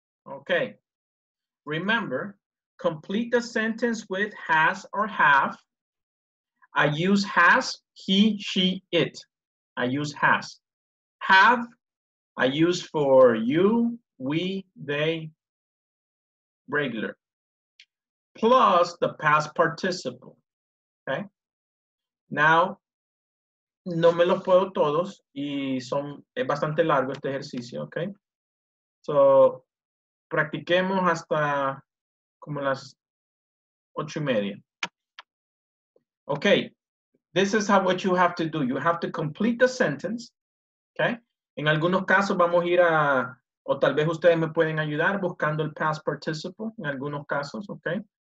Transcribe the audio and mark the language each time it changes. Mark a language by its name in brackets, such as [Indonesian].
[English] Okay. Remember, complete the sentence with has or have. I use has, he, she, it. I use has. Have, I use for you, we, they, regular. Plus the past participle, okay? [Spanish] Now, no me los puedo todos y son, es bastante largo este ejercicio, okay? So, practiquemos hasta como las 8:30. [English] Okay, this is how what you have to do. You have to complete the sentence, okay? [Spanish] En algunos casos vamos a ir a, o tal vez ustedes me pueden ayudar buscando el past participle, en algunos casos, okay?